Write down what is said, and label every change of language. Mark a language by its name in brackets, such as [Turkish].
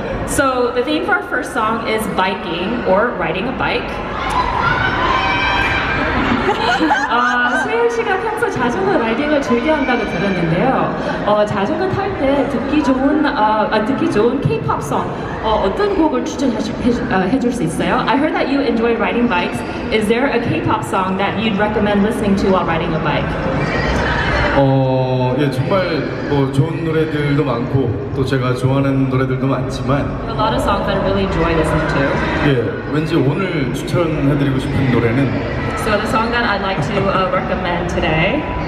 [English] So, the theme for our first song is biking or riding a bike. [Korean] 수현 씨가 평소 자전거 라이딩을 즐겨 한다고 들었는데요. 자전거 탈 때 듣기 좋은 K-pop 송 어떤 곡을 추천해줄 수 있어요? [English] I heard that you enjoy riding bikes. Is there a K-pop song that you'd recommend listening to while riding a bike? [Korean] 예, 정말 뭐 좋은 노래들도 많고 또 제가 좋아하는 노래들도 많지만 [English] A lot of songs that I really enjoy listening to. [Korean] 예, 왠지 오늘 추천해드리고 싶은 노래는 [English] So the song that I'd like to recommend today,